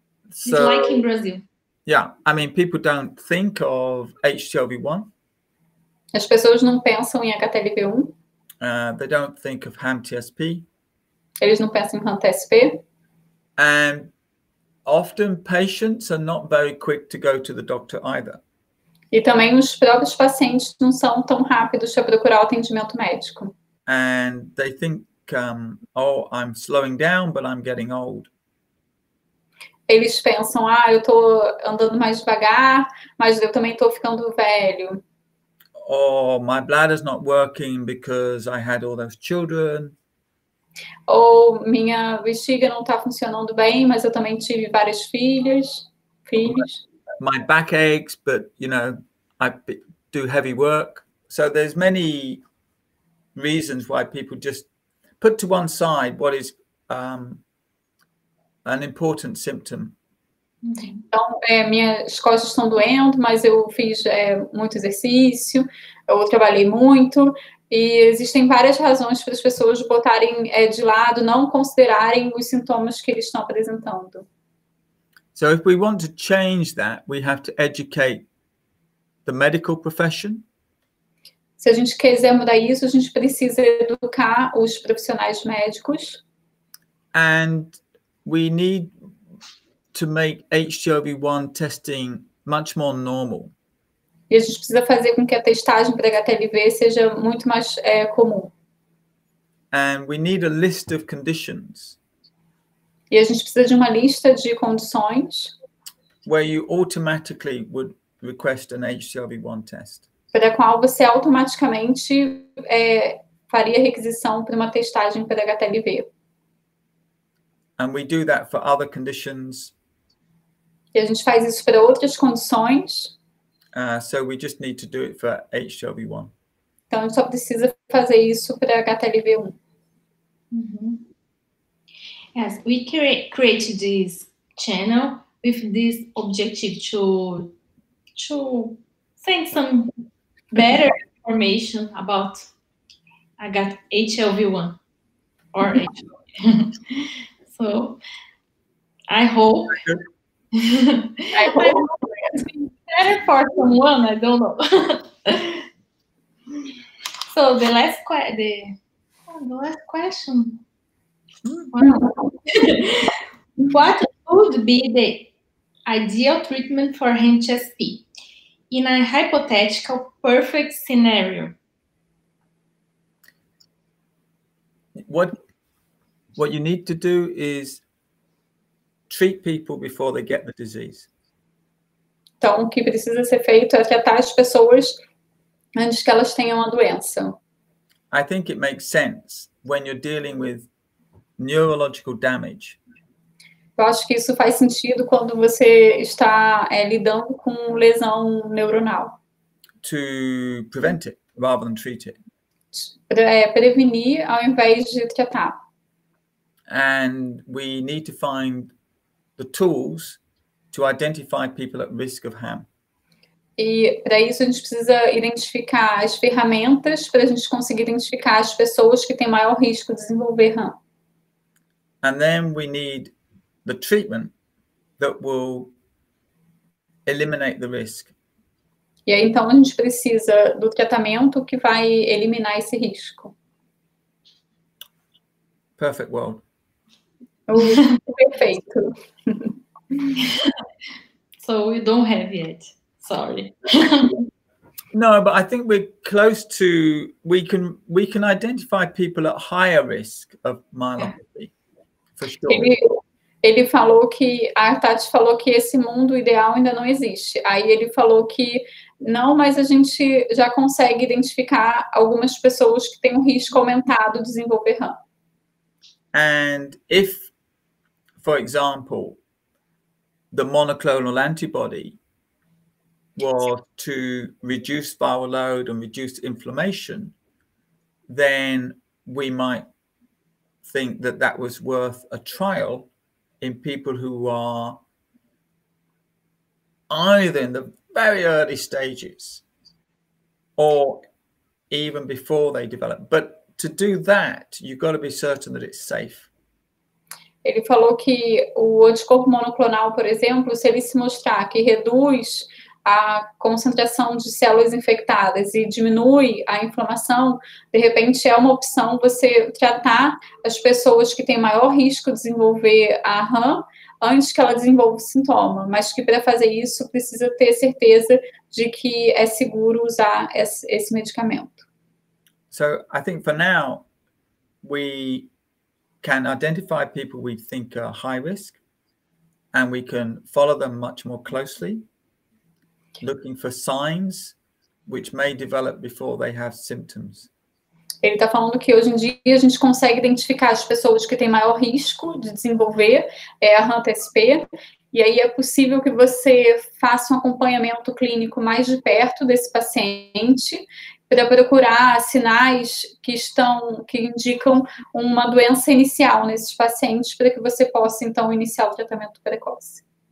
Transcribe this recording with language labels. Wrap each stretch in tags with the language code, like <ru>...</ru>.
<en>So, it's like in Brazil. Yeah, I mean, people don't think of HTLV-1.</en> <pt>As pessoas não pensam em HTLV-1.</pt> <en>They don't think of HAM-TSP.</en> <pt>Eles não pensam em HAM-TSP.</pt> <en>And often patients are not very quick to go to the doctor either.</en> <pt>E também os próprios pacientes não são tão rápidos para procurar o atendimento médico.</pt> <en>And they think, I'm slowing down, but I'm getting old.</en> <pt>Eles pensam, ah, eu estou andando mais devagar, mas eu também estou ficando velho.</pt> <en>Oh, my bladder's not working because I had all those children.</en> <pt>Ou minha bexiga não está funcionando bem, mas eu também tive várias filhas.</pt> <en>My back aches, but, you know, I do heavy work. So there's many reasons why people just put to one side what is an important symptom.</en> <pt>Então, minhas costas estão doendo, mas eu fiz muito exercício, eu trabalhei muito, e existem várias razões para as pessoas botarem de lado, não considerarem os sintomas que eles estão apresentando.</pt> <en>So if we want to change that, we have to educate the medical profession.</en> <pt>Se a gente quiser mudar isso, a gente precisa educar os profissionais médicos.</pt> <en>And we need to make HGLV-1 testing much more normal.</en> <pt>E a gente precisa fazer com que a testagem para HTLV seja muito mais comum.</pt> <en>And we need a list of conditions.</en> <pt>E a gente precisa de uma lista de condições.</pt> <en>Where you automatically would request an HGLV-1 test.</en> <pt>Para a qual você automaticamente faria requisição para uma testagem para HTLV.</pt> <en>And we do that for other conditions.</en> <pt>E a gente faz isso para outras condições.</pt> <en>So we just need to do it for HGLV-1.</en> <pt>Então, a gente só precisa fazer isso para HTLV-1. Uhum.</pt> <en>Yes, we create this channel with this objective to send some better information about HLV1 or HLV. So I hope it's been better for someone, I don't know. So the last question. What would be the ideal treatment for HSP in a hypothetical perfect scenario? What you need to do is treat people before they get the disease.</en> <pt>Então, o que precisa ser feito é tratar as pessoas antes que elas tenham a doença.</pt> <en>I think it makes sense when you're dealing with neurological damage.</en> <pt>Eu acho que isso faz sentido quando você está lidando com lesão neuronal.</pt> <en>To prevent it rather than treat it.</en> <pt>Prevenir ao invés de tratar.</pt> <en>And we need to find the tools to identify people at risk of HAM.</en> <pt>E para isso a gente precisa identificar as ferramentas para a gente conseguir identificar as pessoas que têm maior risco de desenvolver HAM.</pt> <en>And then we need the treatment that will eliminate the risk.</en> <pt>E aí, então, a gente precisa do tratamento que vai eliminar esse risco.</pt> <en>Perfect world.</en> <pt>Perfeito.</pt> <en>So we don't have yet. Sorry. No, but I think we're close to, we can identify people at higher risk of myelopathy. Yeah.</en> <pt>Ele falou que, a Tati falou que esse mundo ideal ainda não existe. Aí ele falou que não, mas a gente já consegue identificar algumas pessoas que têm um risco aumentado de desenvolver HAM.</pt> <en>And if, for example, the monoclonal antibody were to reduce viral load and reduce inflammation, then we might think that was worth a trial in people who are either in the very early stages or even before they develop. But to do that, you've got to be certain that it's safe.</en> <pt>Ele falou que o anticorpo monoclonal, por exemplo, se ele se mostrar que reduz a concentração de células infectadas e diminui a inflamação, de repente é uma opção você tratar as pessoas que têm maior risco de desenvolver a HAM antes que ela desenvolva o sintoma. Mas que para fazer isso, precisa ter certeza de que é seguro usar esse medicamento.</pt> <en>So, I think for now, we can identify people we think are high risk and we can follow them much more closely. Looking for signs which may develop before they have symptoms.</en> <pt>Ele está falando que hoje em dia a gente consegue identificar as pessoas que têm maior risco de desenvolver a RAN-TSP, e aí é possível que você faça um acompanhamento clínico mais de perto desse paciente para procurar sinais que indicam uma doença inicial nesses pacientes para que você possa, então, iniciar o tratamento precoce.</pt>